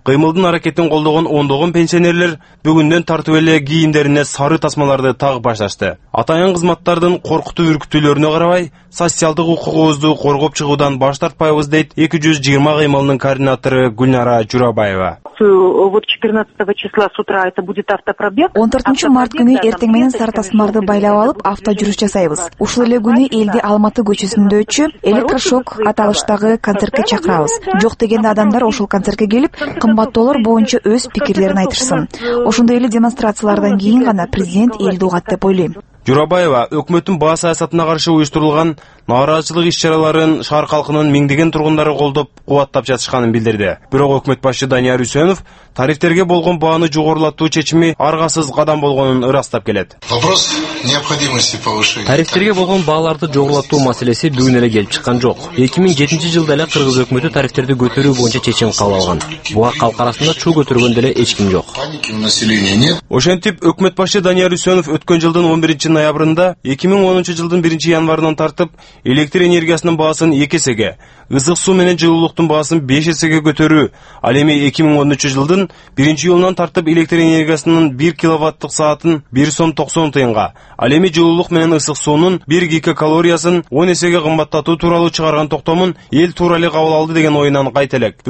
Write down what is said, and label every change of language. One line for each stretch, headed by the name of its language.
Kyrgyz: Кыймылдын аракетин колдогон ондогон пенсионерлер бүгүндөн тартып эле кийимдерине сары тасмаларды тагып башташты. Атайын кызматтардын коркутуу үркүтүүлөрүнө карабай, социалдык укугубузду коргоп чыгуудан баш тартпайбыз, дейт 220 кыймылынын координатору Гүлнара Журабаева.
Russian: Вот 14 числа с утра это будет автопробег.
Kyrgyz: 14 март күнү эртең менен сары тасмаларды байлап алып, авто жүрүш жасайбыз. Ушул эле күнү элди Алматы көчөсүндө өтчү электрошок аталыштагы концертке чакырабыз. Жок дегенде адамдар ошол концертке келип, кымбаттоолор боюнча өз пикирлерин айтышсын. Ошондой эле демонстрациялардан кийин гана президент элди угат деп ойлойм. Журабаева өкмөттүн баа саясатына каршы уюштурулган нааразычылык иш-чараларын шаар халкынын миңдеген тургундары колдоп, кубаттап жатышканын билдирди. Бирок өкмөт башчы Данияр Үсөнов тарифтерге болгон бааны жогорулатуу чечими аргасыз кадам болгонун ырастап келет.
Russian: Вопрос необходимости повышения.
Kyrgyz: Тарифтерге болгон бааларды жогорулатуу маселеси бүгүн эле келип чыккан жок. 2007 жылда эле кыргыз өкмөтү тарифтерди көтөрүү боюнча чечим кабыл алган. Буга калк арасында чуу көтөргөн деле эч ким жок. Ошентип өкмөт башчы Данияр Үсөнов өткөн жылдын 11 ноябрында 2010 жылдын 1 январынан тартып электр энергиясынын баасын 2 эсеге, ысык суу менен жылуулуктун баасын 5 эсеге көтөрүү, ал эми 2013 жылдын 1 июлунан тартып электр энергиясынын 1 киловаттык саатын 1 сом 90 тыйынга, ал эми жылуулук менен ысык суунун 1 гигакалориясын 10 эсеге кымбаттатуу тууралуу чыгарган токтомун эл туура эле кабыл алды деген оюнан кайт элек.